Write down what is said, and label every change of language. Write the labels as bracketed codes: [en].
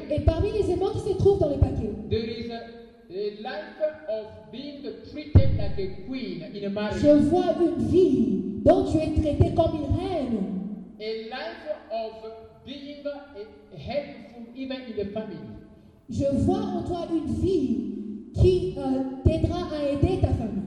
[fr] et parmi les éléments qui se trouvent dans le paquet, [en] there is a life of being treated like a queen in a marriage. [fr] Je vois une vie dont tu es traité comme une reine. [en] A life of being helpful even in the family. [fr] Je vois en toi une vie qui t'aidera à aider ta famille.